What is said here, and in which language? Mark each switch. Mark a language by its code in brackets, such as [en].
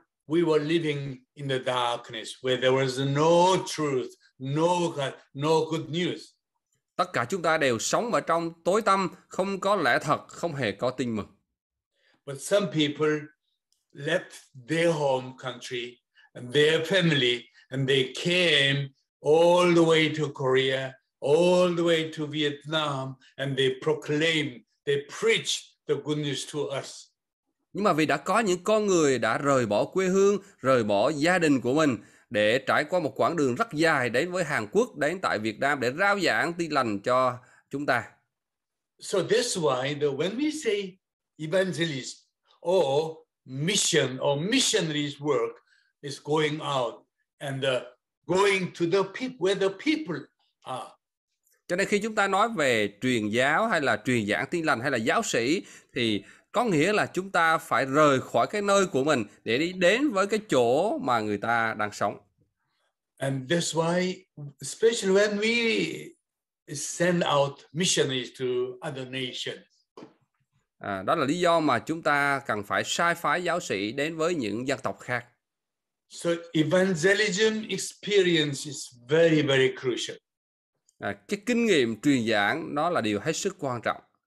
[en] We were living in the darkness where there was no truth, no good news. [vi] Tất cả chúng ta đều sống ở trong tối tăm, không có lẽ thật, không hề có tin mừng. [en] But some people left their home country and their family and they came all the way to Korea, all the way to Vietnam and they preached the good news to us. [vi] Nhưng mà vì đã có những con người đã rời bỏ quê hương, rời bỏ gia đình của mình để trải qua một quãng đường rất dài đến với Hàn Quốc, đến tại Việt Nam để rao giảng tin lành cho chúng ta. [en] So that's why when we say evangelist or mission or missionaries work is going out and going to the people where the people are. [vi] Cho nên khi chúng ta nói về truyền giáo hay là truyền giảng tin lành hay là giáo sĩ thì có nghĩa là chúng ta phải rời khỏi cái nơi của mình để đi đến với cái chỗ mà người ta đang sống. [en] And that's why, especially when we send out missionaries to other nations. [vi] Đó là lý do mà chúng ta cần phải sai phái giáo sĩ đến với những dân tộc khác. [en] So evangelism experience is very, very crucial. [vi] Cái kinh nghiệm truyền giảng nó là điều hết sức quan trọng.